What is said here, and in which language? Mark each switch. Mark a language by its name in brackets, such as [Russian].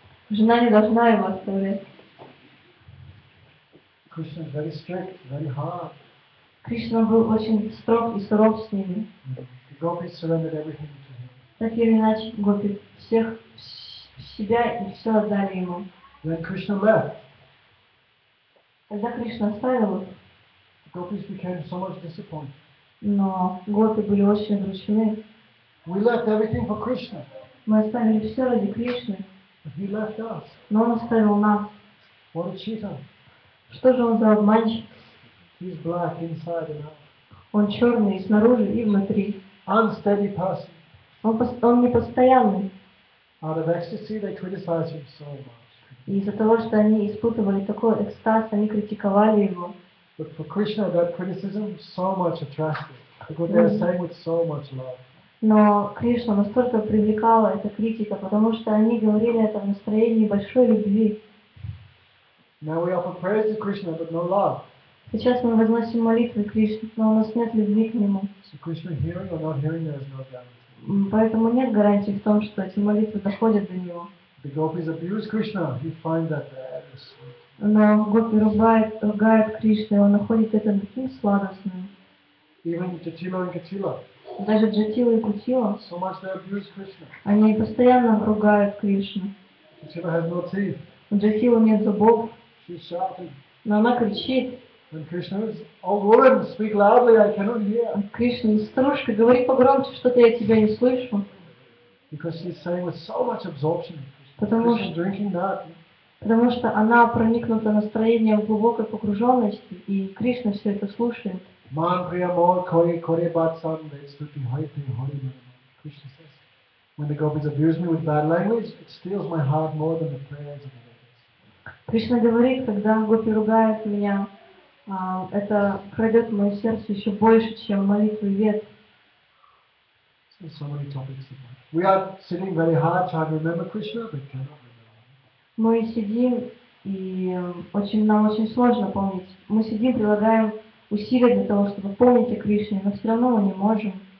[Russian] Жена не должна его оставлять. [English] Krishna is very strict, very hard. [Russian] Кришна был очень строг и суров с ними. [English] The gopis surrendered everything to him. [Russian] Так или иначе, гопи всех себя и все отдали ему. [English] When Krishna left, [Russian] когда Кришна оставил их, [English] the gopis became so much disappointed. [Russian] Но гопи были очень огорчены. [English] We left everything for Krishna. [Russian] Мы оставили все ради Кришны. [English] But he left us. [Russian] Но он оставил нас. [English] What a cheater. [Russian] Что же он за обманщик? [English] He's black inside and out. [Russian] Он черный снаружи и внутри. [English] Unsteady person. [Russian] Он непостоянный. [English] Out of ecstasy, they criticize him so much. [Russian] И из-за того, что они испытывали такой экстаз, они критиковали его. [English] But for Krishna, that criticism so much attracted. Like what they're saying with so much love. [Russian] Но Кришна настолько привлекала эта критика, потому что они говорили это в настроении большой любви. [English] Now we offer prayers to Krishna, but no love. [Russian] Сейчас мы возносим молитвы Кришне, но у нас нет любви к нему. [English] So Krishna hearing or not hearing, there is no guarantee. [Russian] Поэтому нет гарантии в том, что эти молитвы доходят до него. [English] The gopis abuse Krishna, you find that there. [Russian] Но гопи ругает Кришну, и он находит это таким сладостным. [English] Even Jatila and Katila. [Russian] Даже Джатила и Кутила. [English] So much they abuse Krishna. [Russian] Они постоянно ругают Кришну. [English] Jatila has no teeth. [Russian] У Джатилы нет зубов. [English] She's shouting. [Russian] Но она кричит. [English] And Krishna is, old woman, speak loudly, I cannot hear. [Russian] Кришна, старушка, говори погромче, что-то я тебя не слышу. [English] Because she's saying with so much absorption. [Russian] Потому [English] Krishna's drinking that. [Russian] Потому что она проникнута настроением глубокой погруженности, и Кришна все это слушает. [Bangla] Man priya mor kori kori bat sam vaisnuti hai te hori mani. [English] Krishna says, when the gopis abuse me with bad language, it steals my heart more than the prayers of the gopis. [Russian] Кришна говорит, когда гопи ругают меня, это крадет мое сердце еще больше, чем молитвы вет. [English] So many topics. We are sitting very hard trying to remember Krishna, but cannot. [Russian] Мы сидим, и нам очень сложно помнить. Мы сидим, прилагаем усилия для того, чтобы помнить о Кришне, но все равно мы не можем.